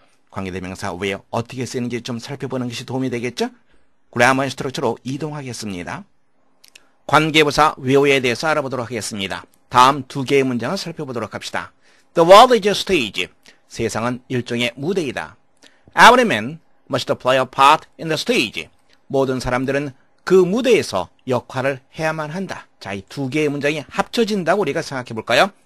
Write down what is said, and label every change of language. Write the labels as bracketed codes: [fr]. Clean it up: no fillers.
[ko] 관계대명사 where 어떻게 쓰는지 좀 살펴보는 것이 도움이 되겠죠? grammar structure로 이동하겠습니다. 관계부사 where에 대해서 알아보도록 하겠습니다. 다음 두 개의 문장을 살펴보도록 합시다. [en] The world is a stage. [ko] 세상은 일종의 무대이다. [en] Every man must play a part in the stage. [ko] 모든 사람들은 그 무대에서 역할을 해야만 한다. 자, 이 두 개의 문장이 합쳐진다고 우리가 생각해 볼까요?